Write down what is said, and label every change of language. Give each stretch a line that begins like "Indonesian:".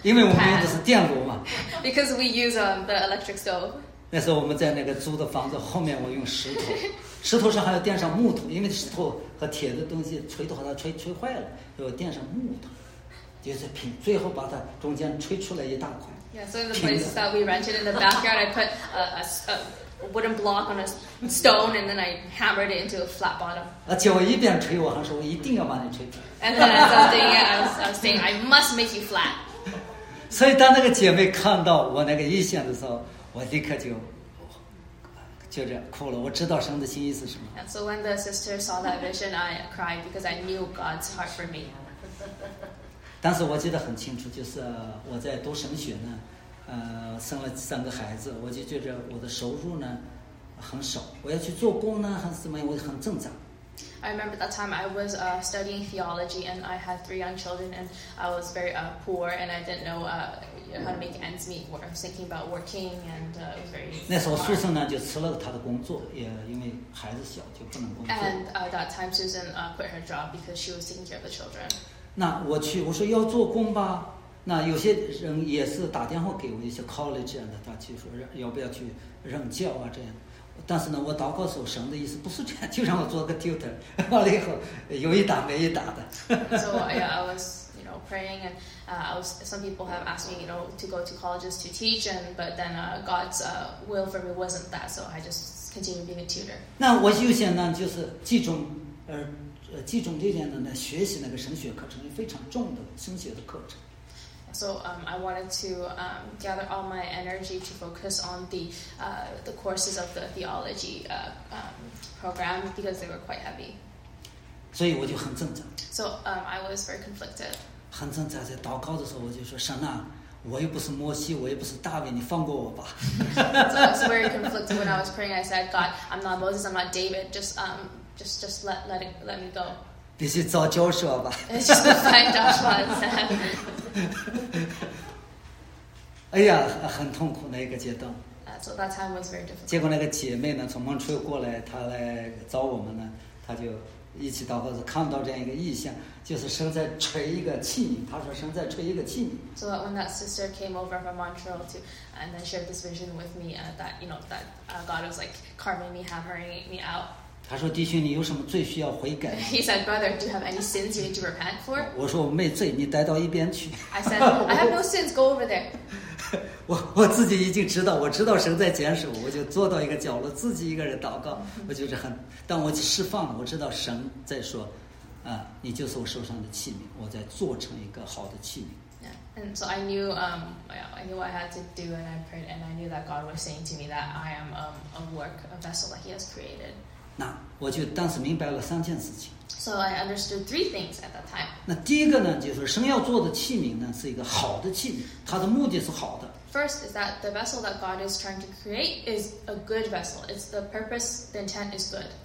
Chinese: 因为我们用的是电炉嘛。
English: Because we use the electric stove.
Chinese: 那时候我们在那个租的房子后面，我用石头，石头上还要垫上木头，因为石头和铁的东西锤的话，它锤坏了，要垫上木头。就是平，最后把它中间吹出来一大块。
English: Yeah, so in the place that we rented in the backyard, I put a wooden block on a stone, and then I hammered it into a flat bottom.
Chinese: 而且我一边吹，我还说我一定要把你吹平。
English: And then I was saying I must make you flat.
Chinese: 所以当那个姐妹看到我那个意象的时候，我立刻就这样哭了。我知道神的心意是什么。
English: And so when the sister saw that vision, I cried because I knew God's heart for me.
Chinese: 但是我记得很清楚，就是我在读神学呢，生了三个孩子，我就觉得我的收入呢很少，我要去做工呢还是怎么样，我很挣扎。
English: I remember that time I was studying theology and I had three young children and I was very poor and I didn't know how to make ends meet. I was thinking about working and very.
Chinese: 那时候Susan呢就辞了他的工作，也因为孩子小就不能工作。
English: And that time Susan quit her job because she was taking care of the children.
Chinese: 那我去，我说要做工吧。那有些人也是打电话给我，一些 college 这样的，他就说要不要去任教啊这样。但是呢，我祷告时候神的意思不是这样，就让我做个 tutor。完了以后，有一打没一打的。
English: So yeah, I was, you know, praying, and some people have asked me, you know, to go to colleges to teach, and but then God's will for me wasn't that, so I just continued being a tutor.
Chinese: 那我就想呢，就是集中，集中力量的呢，学习那个神学课程，非常重的神学的课程。
English: So I wanted to gather all my energy to focus on the courses of the theology program because they were quite heavy.
Chinese: 所以我就很挣扎。
English: So I was very conflicted.
Chinese: 很挣扎，在祷告的时候，我就说：“神啊，我又不是摩西，我又不是大卫，你放过我吧。
English: ”So I was very conflicted when I was praying. I said, "God, I'm not Moses, I'm not David. Just let me go."
Chinese: 必须找教授吧。
English: Find Joshua and Sam.
Chinese: 哎呀，很痛苦那个阶段。
English: So that time was very difficult.
Chinese: 结果那个姐妹呢，从蒙特利尔过来，她来找我们呢，她就一起祷告，看到这样一个异象，就是神在锤一个器皿。她说神在锤一个器皿。
English: So that when that sister came over from Montreal to and then shared this vision with me, that you know that God was like carving me, hammering me out.
Chinese: 他说：“弟兄，你有什么罪需要悔改
English: ？”He said, "Brother, do you have any sins you need to repent for?"
Chinese: 我说：“我没罪，你待到一边去。
English: ”I said, "I have no sins. Go over there."
Chinese: 我自己已经知道，我知道神在拣选我，我就坐到一个角落，自己一个人祷告。我就是很，但我释放了，我知道神在说：“啊，你就是我手上的器皿，我在做成一个好的器皿。
English: ”Yeah, and so I knew what I had to do, and I prayed, and I knew that God was saying to me that I am a work, a vessel that He has created.
Chinese: 那我就当时明白了三件事情。
English: So I understood three things at that time.
Chinese: 那第一个呢，就是神要做的器皿呢，是一个好的器皿，它的目的是好的。
English: First is that the vessel that God is trying to create is a good vessel. It's the purpose, the intent is good.